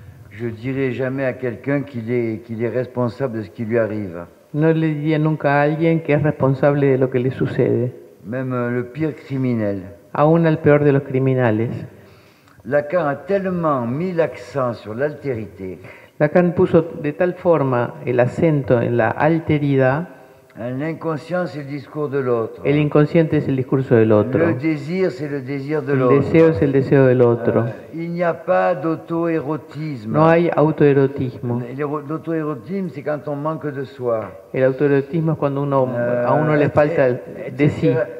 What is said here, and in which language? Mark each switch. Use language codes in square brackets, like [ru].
[fr] Je dirai jamais à quelqu'un qu'il est responsable de ce qui lui arrive. [es] No le diría nunca a alguien que es responsable de lo que le sucede. [fr] Même le pire criminel. [es] Aún al peor de los criminales. [fr] Lacan a tellement mis l'accent sur l'altérité. [es] Lacan puso de tal forma el acento en la alteridad. [fr] L'inconscient, c'est le discours de l'autre. [es] El inconsciente es el discurso del otro. [fr] Le désir, c'est le désir de [es] el [fr] l'autre. [es] Deseo es el deseo del otro. [fr] Il n'y a pas d'auto-érotisme. [es] No hay autoerotismo. [fr] L'auto-érotisme, c'est quand on manque de soi. [es] El autoerotismo es cuando uno, a uno le falta de sí.